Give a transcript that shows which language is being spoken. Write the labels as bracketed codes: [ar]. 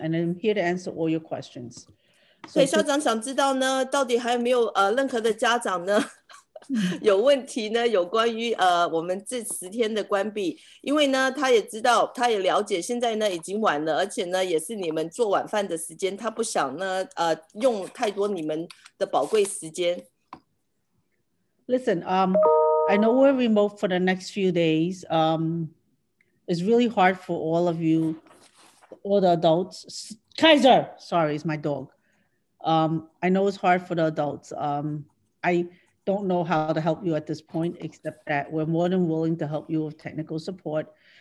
[en] And I'm here to answer all your questions. [zh] So, 所以校长想知道呢，到底还有没有任何的家长呢有问题呢？有关于我们这十天的关闭，因为呢，他也知道，他也了解，现在呢已经晚了，而且呢也是你们做晚饭的时间，他不想呢用太多你们的宝贵时间。 [en] Listen, I know we're remote for the next few days. It's really hard for all of you, all the adults. Kaiser, sorry, it's my dog. I know it's hard for the adults. I don't know how to help you at this point, except that we're more than willing to help you with technical support.